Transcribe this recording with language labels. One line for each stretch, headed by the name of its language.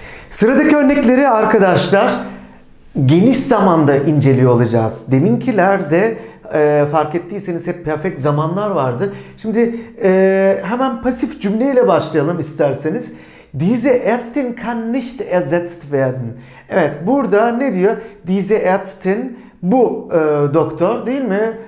Turkish: Sıradaki örnekleri arkadaşlar geniş zamanda inceliyor olacağız. Deminkilerde fark ettiyseniz hep perfect zamanlar vardı. Şimdi hemen pasif cümleyle başlayalım isterseniz.
German: Diese Ärztin kann nicht ersetzt werden.
Turkish: Evet, burada ne diyor? Diese Ärztin, bu doktor, değil mi?